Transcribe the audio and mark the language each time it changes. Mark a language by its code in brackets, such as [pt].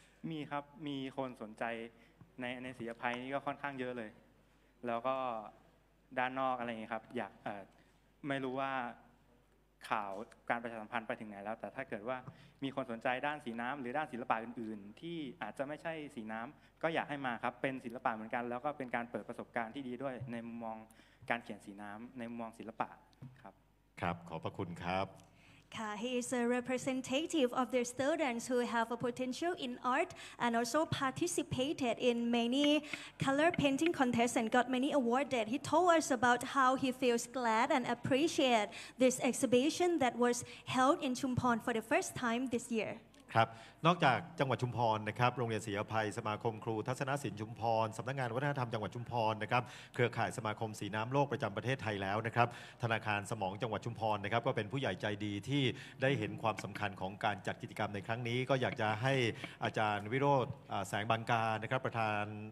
[th] มีครับมีคนสนใจในศิลปะนี้ก็ค่อนข้างเยอะเลยแล้วก็ด้านนอกอะไรเงี้ยครับอยากไม่รู้ว่าข่าวการประชาสัมพันธ์ไปถึงไหนแล้วแต่ถ้าเกิดว่ามีคนสนใจด้านสีน้ำหรือด้านศิลปะอื่นๆที่อาจจะไม่ใช่สีน้ำก็อยากให้มาครับเป็นศิลปะเหมือนกันแล้วก็เป็นการเปิดประสบการณ์ที่ดีด้วยในมุมมองการเขียนสีน้ำในมุมมองศิลปะครับ ครับขอบพระคุณครับ [en] ค่ะ he is a representative of the students who have a potential in art and also participated in many color painting contests and got many awarded he told us about how he feels glad and appreciate this exhibition that was held in Chumphon for the first time this year [th] ครับนอกจากจังหวัดชุมพรนะครับโรงเรียนศรีอภัยสมาคมครูทัศนศิลป์ชุมพรสำนักงานวัฒนธรรมจังหวัดชุมพรนะครับเครือข่ายสมาคมสีน้ำโลกประจำประเทศไทยแล้วนะครับธนาคารสมองจังหวัดชุมพรนะครับก็เป็นผู้ใหญ่ใจดีที่ได้เห็นความสำคัญของการจัดกิจกรรมในครั้งนี้ก็อยากจะให้อาจารย์วิโรจน์แสงบางการนะครับประธาน